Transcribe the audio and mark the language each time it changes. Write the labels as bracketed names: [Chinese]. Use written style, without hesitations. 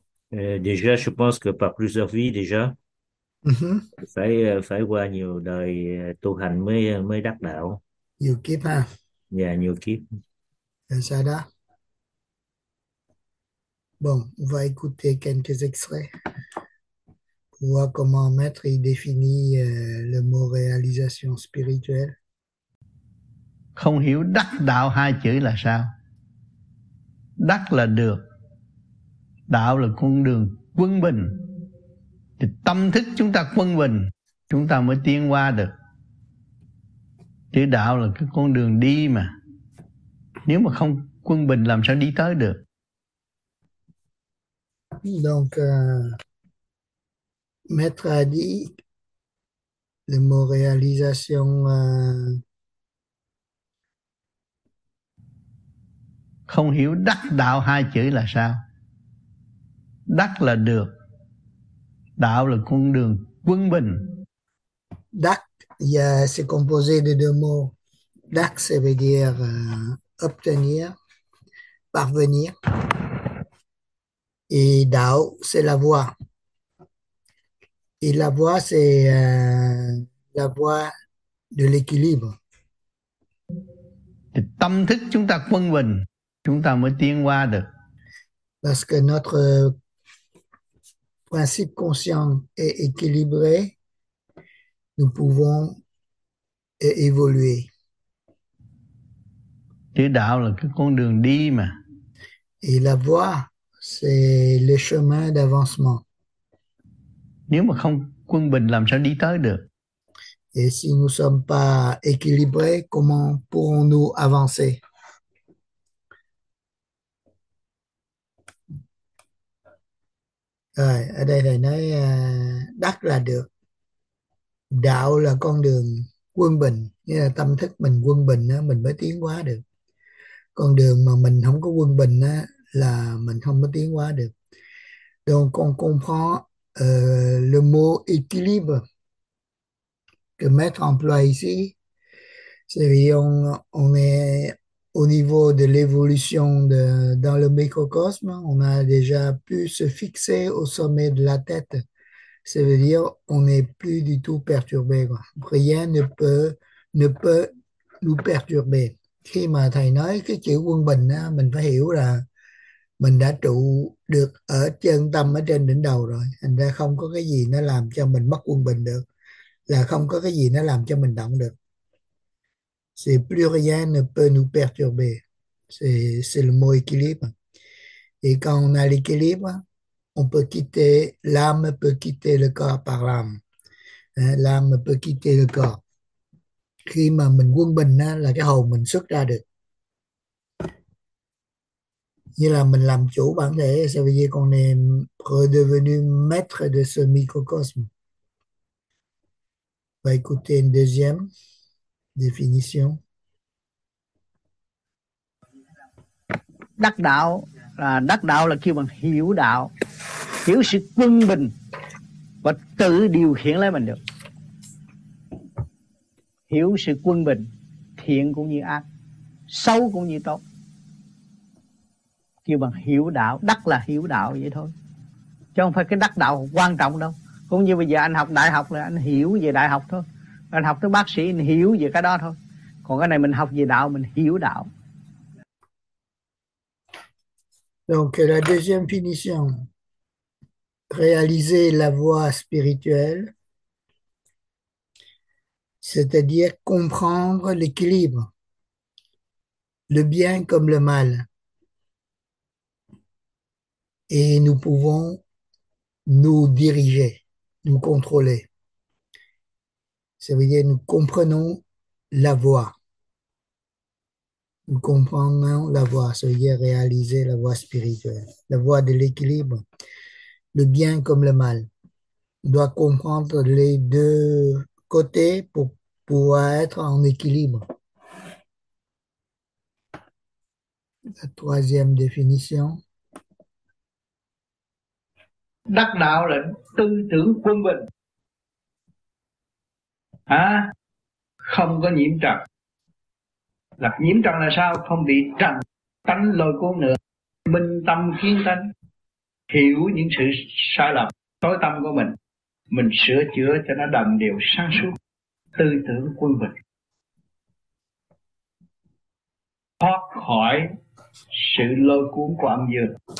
[French] Déjà, je pense que par plusieurs vies, déjà, [Vietnamese] phải qua nhiều đời tu hành mới mới đắc đạo. Nhiều kiếp ha. Và nhiều kiếp. Rồi sao đó? [French] Bon, on va écouter quelques extraits voir comment Maître y définit le mot réalisation spirituelle. [Vietnamese] Không hiểu đắc đạo hai chữ là sao? Đắc là được, đạo là con đường quân bình, thì tâm thức chúng ta quân bình chúng ta mới tiến qua được. Chứ đạo là cái con đường đi mà, nếu mà không quân bình làm sao đi tới được. [French] Maître a dit le mot réalisation. [Vietnamese] Không hiểu đắc đạo hai chữ là sao? Đắc là được, đạo là con đường quân bình. [French] Đắc, c'est composé de deux mots. Đắc, ça veut dire obtenir, parvenir. Et đạo, c'est la voie. Et la voie, c'est la voie de l'équilibre. [Vietnamese] Tâm thức chúng ta quân bình, chúng ta mới tiến qua được. [French] Parce que notre principe conscient est équilibré, nous pouvons évoluer. [Vietnamese] Chứ đạo là cái con đường đi mà. [French] Et la voie, c'est le chemin d'avancement. [Vietnamese] Nếu mà không quân bình làm sao đi tới được? [French] Et si nous ne sommes pas équilibrés, comment pourrons-nous avancer? [Vietnamese] Đây thầy nói đắc là được. Đạo là con đường quân bình. Nghĩa là tâm thức mình quân bình á, mình mới tiến hóa được. Con đường mà mình không có quân bình á, là mình không có tiến hóa được. [French] Donc on comprend le mot équilibre. Que mettre en place ici, c'est on est au niveau de l'évolution de dans le microcosme. On a déjà pu se fixer au sommet de la tête, Ça veut dire on n'est plus du tout perturbé. Rien ne peut nous perturber. [Vietnamese] Khi mà thầy nói cái chữ quân bình á, mình phải hiểu là mình đã trụ được ở chân tâm ở trên đỉnh đầu rồi. Thành ra không có cái gì nó làm cho mình mất quân bình được, là không có cái gì nó làm cho mình động được. [French] C'est plus rien ne peut nous perturber. C'est le mot équilibre. Et quand on a l'équilibre, on peut quitter, l'âme peut quitter le corps par l'âme. L'âme peut quitter le corps. [Vietnamese] Khi mà mình quân bình là cái hồn mình xuất ra được. Như là mình làm chủ bản thể, [French] ça veut dire qu'on est redevenu maître de ce microcosme. Va écouter une deuxième définition. [Vietnamese] Đắc đạo là kêu bằng hiểu đạo, hiểu sự quân bình và tự điều khiển lấy mình được. Hiểu sự quân bình, thiện cũng như ác, xấu cũng như tốt, kêu bằng hiểu đạo. Đắc là hiểu đạo vậy thôi, chứ không phải cái đắc đạo quan trọng đâu. Cũng như bây giờ anh học đại học là anh hiểu về đại học thôi, anh học tới bác sĩ anh hiểu về cái đó thôi. Còn cái này mình học về đạo, mình hiểu đạo. [French] Donc, la deuxième finition, réaliser la voie spirituelle, c'est-à-dire comprendre l'équilibre, le bien comme le mal. Et nous pouvons nous diriger, nous contrôler. Ça veut dire que nous comprenons la voie. Nous comprenons la voie, c'est-à-dire réaliser la voie spirituelle, la voie de l'équilibre, le bien comme le mal. On doit comprendre les deux côtés pour pouvoir être en équilibre. La troisième définition. [Vietnamese] Đắc đạo là tư tưởng quân bình, à, không có nhiễm trần. Là nhiễm trần là sao? Không bị trần tánh lôi cuốn nữa, minh tâm kiến tánh, hiểu những sự sai lầm tối tâm của mình sửa chữa cho nó đồng đều sáng suốt, tư tưởng quân bình, thoát khỏi sự lôi cuốn của âm dương.